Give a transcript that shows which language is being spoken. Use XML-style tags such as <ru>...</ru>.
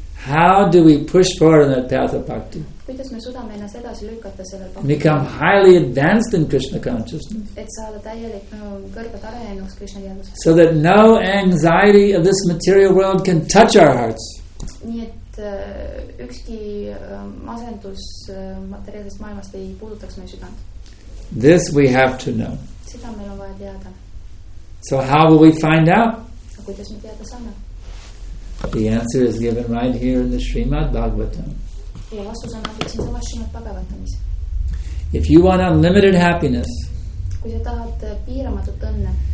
<en>How do we push forward on that path of bhakti?</en> <et>Kuidas me suudame ennast edasi lükata sellel bhakti?</et> <en>Become highly advanced in Krishna consciousness.</en> <et>Et saada täielik kõrgat arenenuks Krishna teaduses.</et> <en>So that no anxiety of this material world can touch our hearts.</en> <et>Nii et ükski masendus materiaalsest maailmast ei puudutaks meie südant.</et> <en>This we have to know.</en> <et>Seda meil on vaja teada.</et> <en>So how will we find out?</en> <et>Kuidas me teada saame?</et> <en>The answer is given right here in the Srimad Bhagavatam.</en> <et>Ja vastus on siin samas Srimad Bhagavatamis.</et> <en>If you want unlimited happiness,</en> <et>kui sa tahad piiramatut õnne,</et>